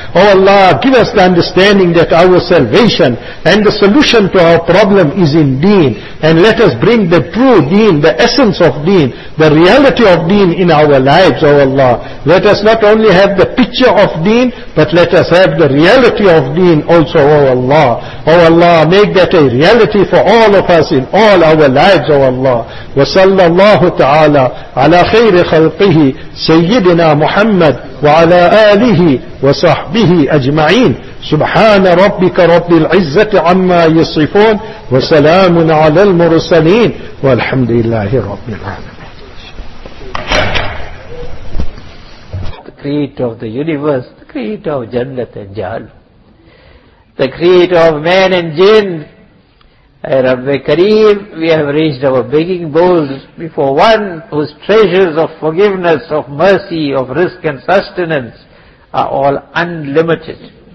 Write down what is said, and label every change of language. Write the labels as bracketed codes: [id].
[en] O Allah, give us the understanding that our salvation and the solution to our problem is in deen. And let us bring the true deen, the essence of deen, the reality of deen in our lives, O Allah. Let us not only have the picture of deen, but let us have the reality of deen also, O Allah. O Allah, make that a reality for all of us in all our lives, O [ar] الله وصلى الله تعالى على خير خلقه سيدنا محمد وعلى آله وصحبه أجمعين سبحان ربك رب العزة عما يصفون وسلام على المرسلين والحمد لله رب العالمين. [en] The creator of the universe, the creator of Jannat and Jahannam, the creator of man and jinn. Ay Rabbi Kareem, we have raised our begging bowls before one whose treasures of forgiveness, of mercy, of risk and sustenance are all unlimited.